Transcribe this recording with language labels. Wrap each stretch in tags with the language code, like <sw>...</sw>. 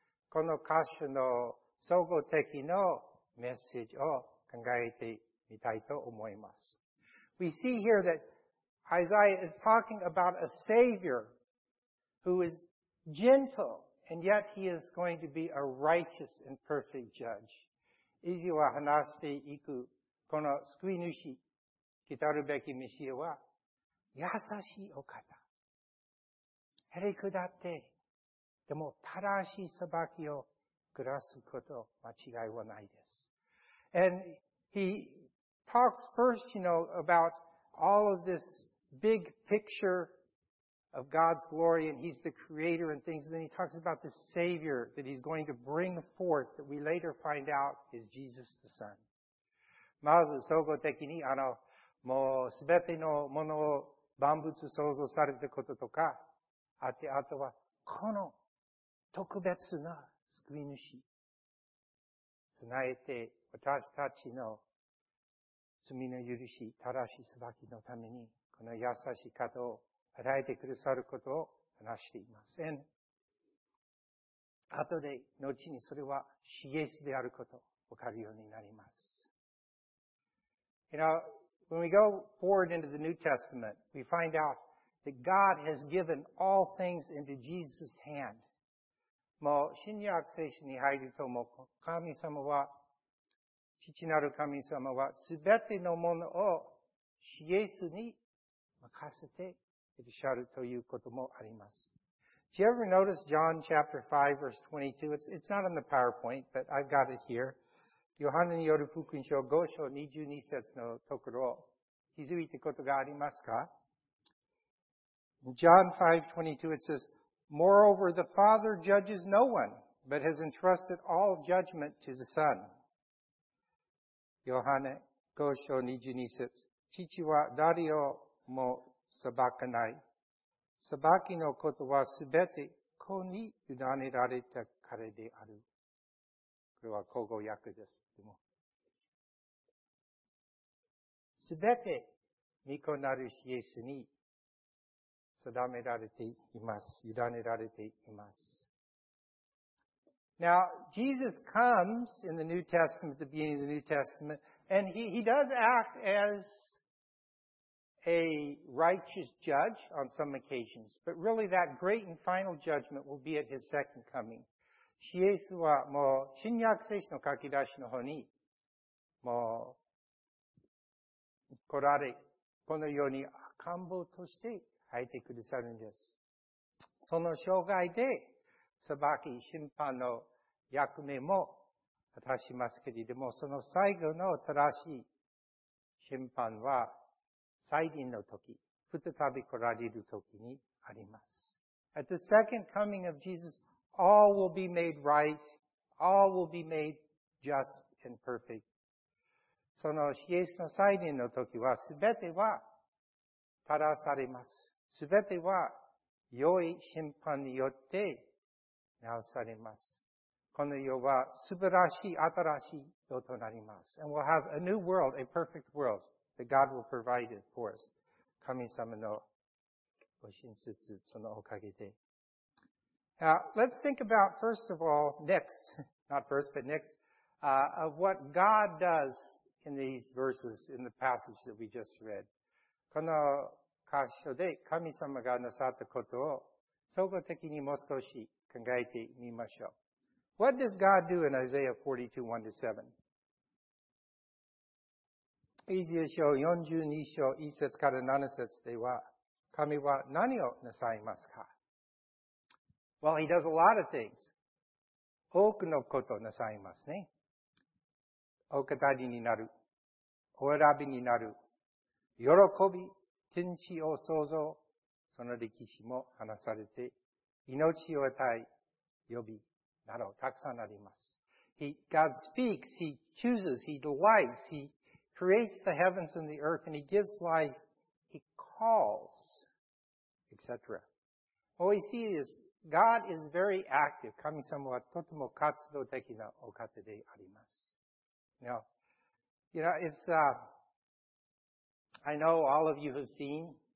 <ja>この箇所の総合的なメッセージを考えてみたいと思います。</ja> <en>We see here that Isaiah is talking about a savior who is gentle, and yet he is going to be a righteous and perfect judge.</en> <ja>以上話していく、この救い主、来たるべきメシアは、優しいお方。へりくだって、でも正しい裁きを下すこと間違いはないです。</ja> <en>And he talks first, you know, about all of this big picture of God's glory, and He's the creator and things. And then He talks about the Savior that He's going to bring forth that we later find out is Jesus the Son.</en> <ja>まず、総合的に、もうすべてのものを万物創造されたこととか、あとは、この特別な救い主、備えて私たちの罪の許し、正しい裁きのために、この優しい方を与えてくださることを話しています。</ja> <en>And、</en> <ja>後で、後にそれは、シエスであることを分かるようになります。</ja> <en>You know, when we go forward into the New Testament, we find out that God has given all things into Jesus' hand.</en> <ja>もう、新約聖書に入ると、もう、神様は、父なる神様は、すべてのものを、シエスに任せて、いらっしゃるということもあります。</ja> <en>Do you ever notice John chapter 5 verse 22? It's not on the PowerPoint, but I've got it here.</en> <ja>ヨハネによる福音書5章22節のところ、気づいたことがありますか?</ja> <en>John 5:22 it says, Moreover, the Father judges no one, but has entrusted all judgment to the Son.</en> <ja>ヨハネ5章22節、父は誰をも裁かない。裁きのことはすべて子に委ねられたからである。これは口語訳です。でも、すべて御子なるイエスに定められています。委ねられています。</ja> <en>Now, Jesus comes in the New Testament, the beginning of the New Testament, and he does act as a righteous judge on some occasions. But really that great and final judgment will be at his second coming.</en> <ja>シエスはもう新約聖書の書き出しの方にもう来られ、このように赤ん坊として入ってくださるんです。その生涯で裁き審判の役目も果たしますけれども、その最後の正しい審判は再臨の時、再び来られる時にあります。</ja> <en>At the second coming of Jesus, all will be made right. All will be made just and perfect.</en> <ja>その、イエスの再臨の時は、すべては、正されます。すべては、良い審判によって、直されます。この世は、素晴らしい、新しい世となります。</ja> <en>And we'll have a new world, a perfect world, that God will provide for us.</en> <ja>神様のご親切、そのおかげで。</ja> <en>Now, let's think about, first of all, next, not first, but next, of what God does in these verses, in the passage that we just read.</en> <ja>この箇所で神様がなさったことを総合的にもう少し考えてみましょう。</ja> <en>What does God do in Isaiah 42, 1-7?</en> <ja>イザヤ書42章1節から7節では、神は何をなさいますか?</ja> <en>Well, he does a lot of things.</en> <ja>多くのことをなさいますね。お語りになる。お選びになる。喜び。天地を創造。その歴史も話されて、命を与え、呼び。などたくさんあります。</ja> <en>God speaks, He chooses, He delights, He creates the heavens and the earth, and He gives life, He calls, etc. What we see is, God is very active.</en> <ja>神様はとても活動的なお方であります。</ja> <en>Now, you know, it's, I know all of you have seen,</en>